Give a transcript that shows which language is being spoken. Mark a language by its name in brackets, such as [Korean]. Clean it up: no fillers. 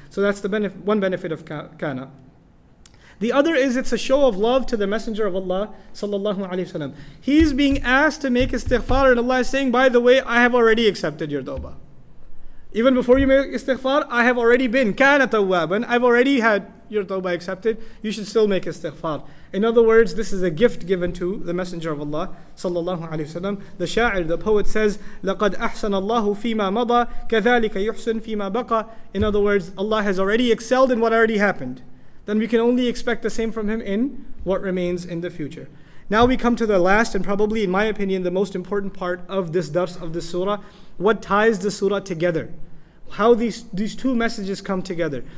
[English] So that's the benefit, one benefit of kana. The other is it's a show of love to the Messenger of Allah sallallahu alaihi wasallam. He's being asked to make istighfar and Allah is saying, by the way, I have already accepted your tawbah. Even before you make istighfar, I have already been kana tawwaban. I've already had your tawbah accepted. You should still make istighfar. In other words, this is a gift given to the Messenger of Allah sallallahu alaihi wasallam. The sha'ir, the poet says, [Arabic] لَقَدْ أَحْسَنَ اللَّهُ فِي مَا مَضَى كَذَلِكَ يُحْسِن فِي مَا بَقَى. [English] In other words, Allah has already excelled in what already happened. Then we can only expect the same from him in what remains in the future. Now we come to the last and probably, in my opinion, the most important part of this dars, of this surah. What ties the surah together? How these two messages come together.